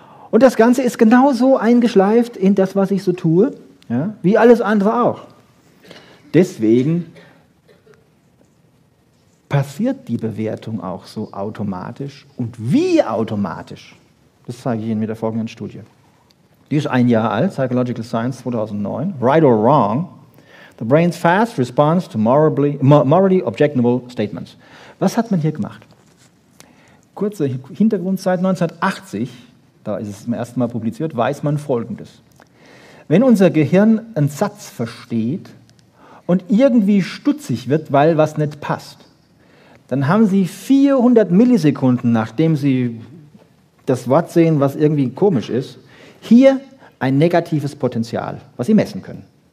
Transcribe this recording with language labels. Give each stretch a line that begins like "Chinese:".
German: Und das Ganze ist genauso eingeschleift in das, was ich so tue, ja, wie alles andere auch. Deswegen passiert die Bewertung auch so automatisch. Und wie automatisch? Das zeige ich Ihnen mit der folgenden Studie. Die ist ein Jahr alt, Psychological Science 2009.
English: Right or wrong, the brain's fast response to morally objectionable statements.
German: Was hat man hier gemacht? Kurzer Hintergrund, seit 1980, da ist es zum ersten Mal publiziert, weiß man Folgendes. Wenn unser Gehirn einen Satz versteht und irgendwie stutzig wird, weil was nicht passt, dann haben Sie 400 Millisekunden, nachdem Sie das Wort sehen, was irgendwie komisch ist, hier ein negatives Potenzial, was Sie messen können.